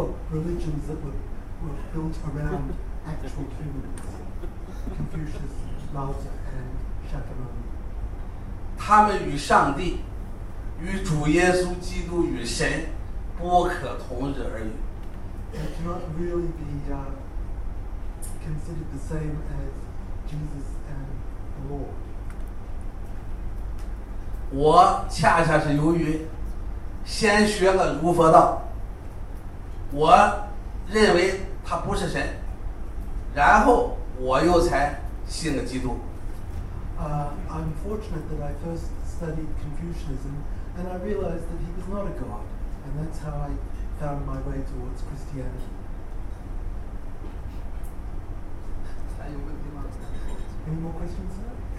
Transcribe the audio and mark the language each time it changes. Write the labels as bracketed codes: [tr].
[en] Religions that were built around actual humans, Confucius, Lao Tzu, and Shakyamuni. [zh] 他们与上帝、与主耶稣基督、与神不可同日而语。 [en] They cannot really be considered the same as Jesus and the Lord. [zh] 我恰恰是由于先学了儒佛道。我认为他不是神，然后我又才信了基督。 [en] I'm fortunate that I first studied Confucianism, and I realized that he was not a god, and that's how I found my way towards Christianity. [zh] 还有问题吗 [en] ？Any more questions, sir?